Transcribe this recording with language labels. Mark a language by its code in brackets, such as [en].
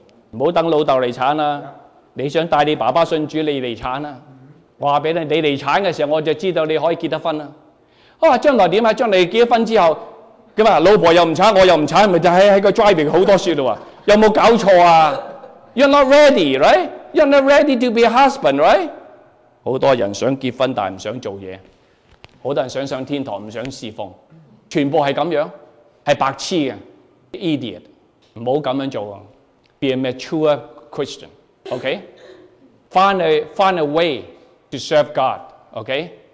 [zh] 不要等老爸來鏟，你想帶你爸爸信主你來鏟，我告訴你，你來鏟的時候我就知道你可以結得婚了。啊，將來怎樣？將來結婚之後老婆又不鏟，我又不鏟，就是在 driving 很多雪了，有沒有搞錯啊？ [en] You're not ready, right? You're not ready to be a husband, right? [zh] 很多人想結婚但不想做事，很多人想上天堂不想侍奉，全部是這樣，是白痴的 idiot， 不要這樣做啊。 [en] Be a mature Christian, okay? Find a way to serve God, okay?